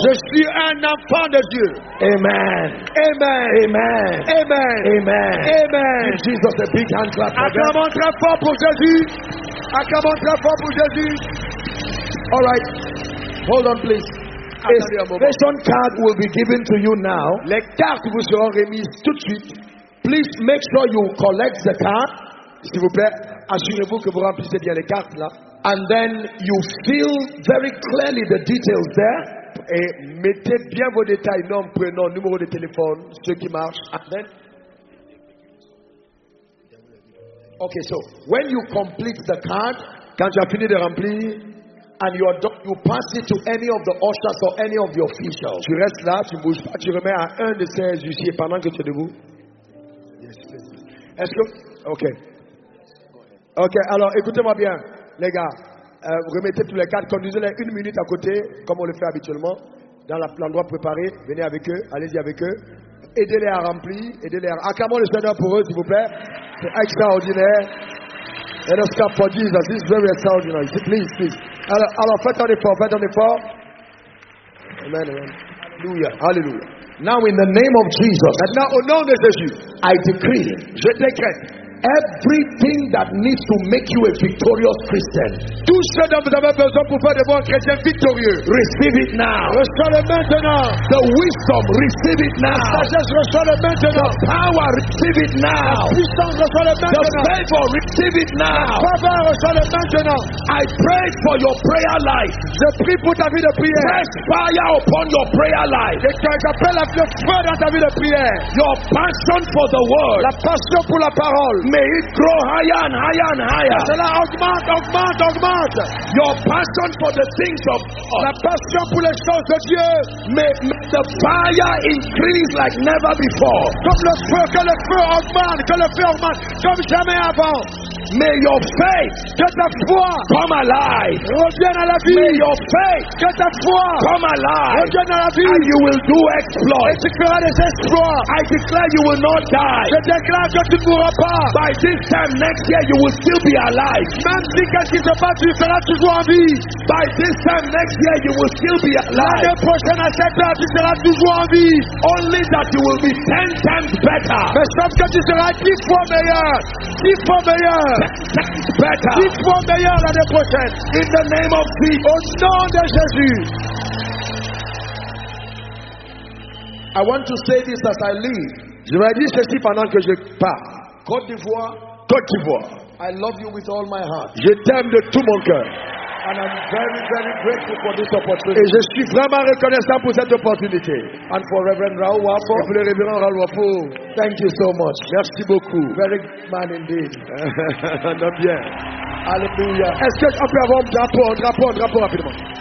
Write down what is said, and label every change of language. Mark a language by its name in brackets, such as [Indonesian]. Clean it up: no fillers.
[French] Je suis un enfant de Dieu. Amen. Amen. Amen. Amen. Amen. Amen. [English] Give Jesus a big hand clap. [French] Acclamons très fort pour Jésus. Acclamons très fort pour Jésus. [English] All right, hold on, please. A salvation card will be given to you now. [French] Les cartes vous seront remises tout de suite. [English] Please make sure you collect the card. [French] S'il vous plaît, assurez-vous que vous remplissez bien les cartes là. [English] And then you fill very clearly the details there. [French] Et mettez bien vos détails, nom, prénom, numéro de téléphone, ce qui marche. [English] And then. Okay, so when you complete the card, [French] quand tu as fini de remplir. [English] And you pass it to any of the ushers or any of the officials. [French] Tu restes là, tu ne bouges pas, tu remets à un de ces huissiers pendant que tu es debout. [English] Yes, please. [French] Est-ce que... Ok. Ok, alors écoutez-moi bien, les gars. remettez tous les cartes, conduisez-les une minute à côté, comme on le fait habituellement, dans l'endroit préparé. Venez avec eux, allez-y avec eux. Aidez-les à remplir, aidez-les à... Acclamons le Seigneur pour eux, s'il vous plaît. C'est extraordinaire. Et le scap pour Jesus, c'est vraiment extraordinaire. S'il vous plaît, alors faites un effort, faites un effort. Amen, amen. Alléluia, alléluia. [English] Now in the name of Jesus, [French] maintenant au nom de Jésus, [English] I decree, [French] je décrète, [English] everything that needs to make you a victorious Christian, [French] tout ce dont vous avez besoin pour faire de vous un chrétien victorieux, [English] receive it now. [French] Reçois-le maintenant. [English] The wisdom, receive it now. [French] La sagesse, reçois-le maintenant. [English] The power, receive it now. [French] La puissance, reçois-le maintenant. [English] The favor, receive it now. [French] La faveur, reçois-le maintenant. [English] I pray for your prayer life. [French] Je prie pour ta vie de prière. [English] Fresh fire upon your prayer life. [French] J'appelle le feu dans ta vie de prière. [English] Your passion for the word. [French] La passion pour la parole. [English] May it grow higher and higher and higher. [French] Cela augmente, augmente, augmente. [English] Your passion for the things of God. [French] La passion pour les choses de Dieu. [English] May the fire increase like never before. [French] Comme le feu, que le feu augmente, que le feu augmente, comme jamais avant. [English] May your faith, [French] que ta foi, [English] come alive. [French] Revienne à la vie. [English] May your faith, [French] que ta foi, [English] come alive. [French] Revienne à la vie. [English] And you will do exploits. [French] Et tu feras des exploits. [English] I declare you will not die. [French] Je déclare que tu ne mourras pas. [English] By this time next year, you will still be alive. [French] Même si qu'est-ce qui se passe, tu seras toujours en vie. [English] By this time next year, you will still be alive. [French] L'année prochaine, à cette heure, tu seras toujours en vie. [English] Only that you will be 10 times better. [French] Mais sauf que tu seras 10 fois meilleur. 10 fois meilleur. [English] 10 times better. [French] 10 fois meilleur l'année prochaine. [English] In the name of Jesus. [French] Au nom de Jésus. [English] I want to say this as I leave. [French] Je vais dire ceci pendant que je pars. [English] Côte d'Ivoire, Côte d'Ivoire. I love you with all my heart. [French] Je t'aime de tout mon cœur. [English] And I'm very, very grateful for this opportunity. [French] Et je suis vraiment reconnaissant pour cette opportunité. [English] And for Reverend Rao Wapo. [French] Et pour le Reverend Rao Wapo. [English] Thank you so much. [French] Merci beaucoup. [English] Very man indeed. [French] Non bien. Alléluia. Est-ce que on peut avoir un drapeau rapidement?